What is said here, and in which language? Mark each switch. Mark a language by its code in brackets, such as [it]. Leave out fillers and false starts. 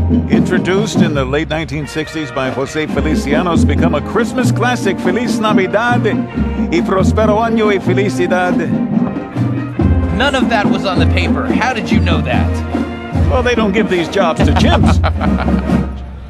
[en] Introduced in the late 1960s by Jose Feliciano, has become a Christmas classic. [es] Feliz Navidad y Prospero Año y Felicidad. [en] None of that was on the paper. How did you know that? Well, they don't give these jobs to chimps.